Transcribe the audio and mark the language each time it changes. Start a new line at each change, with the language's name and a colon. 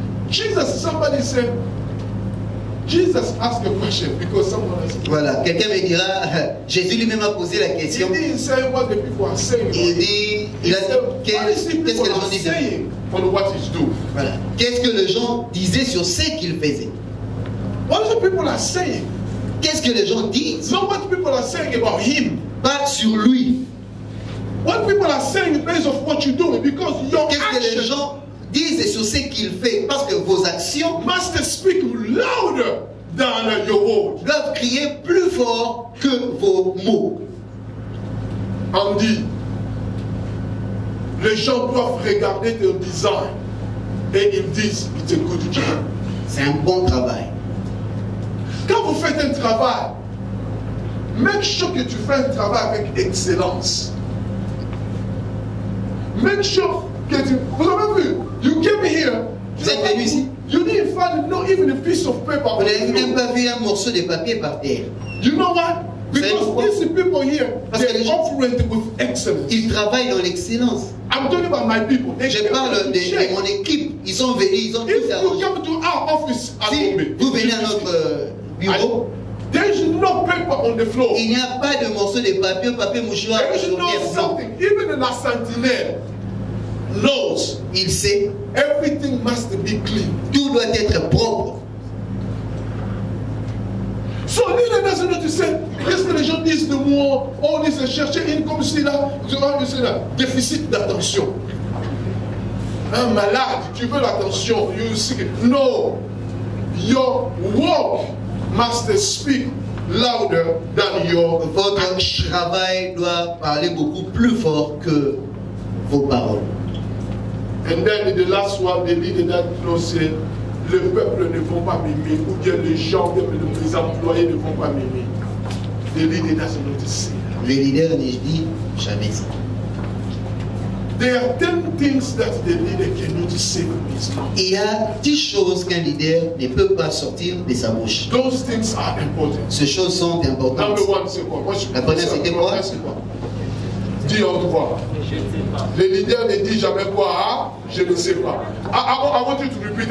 English: Jesus, somebody said, Jesus asked a question because someone asked.
French: Voilà, quelqu'un me dira, Jésus lui-même a posé la question.
English: He didn't say what the people are saying.
French: Il a dit, qu'est-ce que les gens disaient?
English: For what he's doing.
French: Voilà. Qu'est-ce que les gens disaient sur ce qu'il faisait?
English: What the people are saying?
French: Qu'est-ce que les gens disent?
English: Not what people are saying about him.
French: Pas sur lui.
English: What people are saying based on what you do, because your
French: qu'est-ce
English: action.
French: Qu'est-ce que les gens disent sur ce qu'il fait? Parce que vos actions.
English: Must speak louder than your words.
French: Doivent crier plus fort que vos mots. Andy. Les gens doivent regarder ton design et ils disent
English: it's a good job.
French: C'est un bon travail. Quand vous faites un travail,
English: make sure
French: que tu fais un travail avec excellence.
English: Make sure
French: que tu. Vous avez vu,
English: you came here.
French: Vous êtes venu ici.
English: You didn't find not even a piece of paper.
French: Vous n'avez même pas vu un morceau de papier par terre.
English: You know what? Because these people here, they operate with excellence.
French: Ils travaillent dans l'excellence.
English: I'm talking about my people. They
French: je parle de mon équipe. Ils sont venus, ils ont
English: if tout you come to our office
French: si
English: at home,
French: vous venez à notre bureau,
English: there is no paper on the floor.
French: Il n'y a pas de morceau de papier, papier mouchoir.
English: There is no something. Blanc. Even in La Sentinelle knows.
French: Il sait.
English: Everything must be clean.
French: Tout doit être propre.
English: So leader doesn't know to say,
French: qu'est-ce que les gens disent de moi? Oh, ils se cherchent une comme si là, c'est un déficit d'attention. Un malade, tu veux l'attention,
English: you see. No. Your work must speak louder than your
French: votre travail doit parler beaucoup plus fort que vos paroles.
English: And then the last one, the leader that closed.
French: Le peuple ne vont pas m'aimer, ou bien les gens, les employés ne vont pas m'aimer. Les leaders ne se notent pas. Les leaders ne se disent jamais ça.
English: There are 10 things that the leader cannot say with his mouth.
French: Il y a 10 choses qu'un leader ne peut pas sortir de sa bouche.
English: Those things are important.
French: Ces choses sont importantes.
English: Number one,
French: c'est quoi? Moi, la première, c'était quoi? C'est quoi? Dis en toi. Le leader ne dit jamais quoi, hein? Je ne sais pas.
English: I want you to repeat